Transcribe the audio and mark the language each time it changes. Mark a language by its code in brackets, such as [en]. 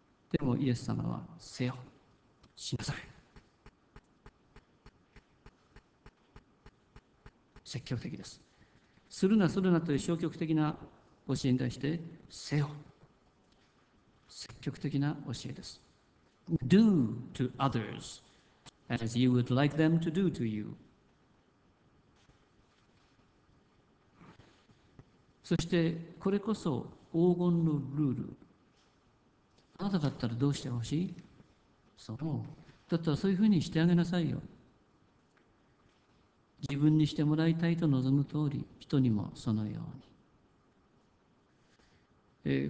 [ja] でもイエス様は、せよ、しなさい。積極的です。するな、するなという消極的な教えに対して、せよ。積極的な教えです。 [en] Do to others as you would like them to do to you。 [ja] そしてこれこそ黄金のルール。あなただったらどうしてほしい？そう。だったらそういうふうにしてあげなさいよ。自分にしてもらいたいと望む通り、人にもそのように。